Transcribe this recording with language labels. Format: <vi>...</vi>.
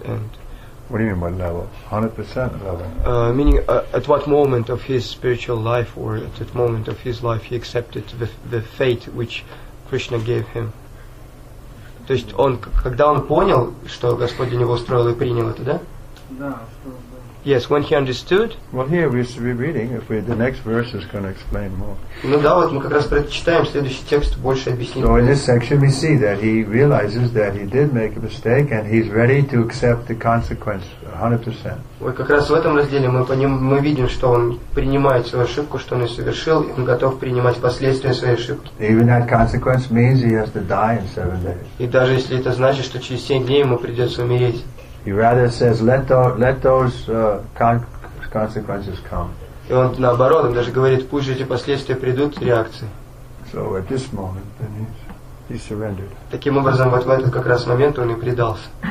<en>And what do you mean by level? 100% level. Meaning, at what moment of his spiritual life, or at what moment of his life, he accepted the fate which Krishna gave him.</en> <ru>То есть он, когда он понял, что Господь для него устроил и принял это, да? Да.</ru> <en>Yes, when he understood. Well, here we should be reading. If the next verse is going to explain more.</en> <ru>Ну да, вот мы как раз прочитаем следующий текст, больше объяснить.</ru> <en>So in this section we see that he realizes that he did make a mistake and he's ready to accept the consequence 100%.</en> <ru>Вот как раз в этом разделе мы видим, что он принимает свою ошибку, что он совершил, и он готов принимать последствия своей ошибки.</ru> <en>Even that consequence means he has to die in 7 days.</en> <ru>И даже если это значит, что через 7 дней ему придется умереть.</ru> <en>He rather says, let those consequences come.</en> <ru>И он наоборот, он даже говорит, пусть же эти последствия придут, реакции.</ru> <en>So at this moment, then he's he surrendered.</en> <ru>Таким образом, вот в этот как раз момент он и предался.</ru>